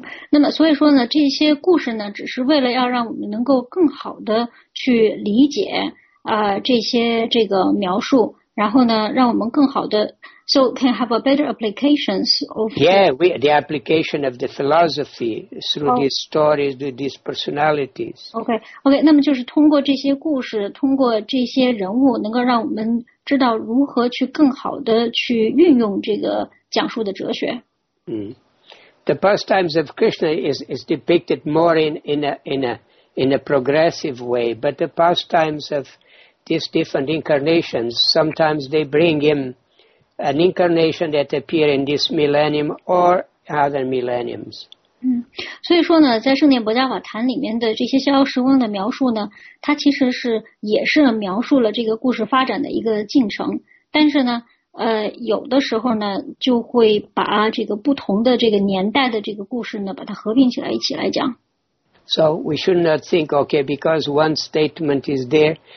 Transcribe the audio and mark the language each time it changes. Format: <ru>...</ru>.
<zh>那么所以说呢，这些故事呢只是为了要让我们能够更好的去理解这些这个描述，然后呢让我们更好的</zh> <en>so can have a better applications of the application of the philosophy through these stories, through these personalities.</en> <zh>Okay, 那么就是通过这些故事，通过这些人物，能够让我们知道如何去更好的去运用这个讲述的哲学。</zh> <en>The pastimes of Krishna is depicted more in a progressive way, but the pastimes of these different incarnations, sometimes they bring him an incarnation that appears in this millennium or other millenniums.</en> <zh>所以说呢，在圣典摩纳瓦坛里面的这些逍遥时光的描述呢，它其实是也是描述了这个故事发展的一个进程。但是呢，有的时候呢，就会把这个不同的这个年代的这个故事呢，把它合并起来一起来讲。</zh> <en>So we should not think, okay, because one statement is there.</en>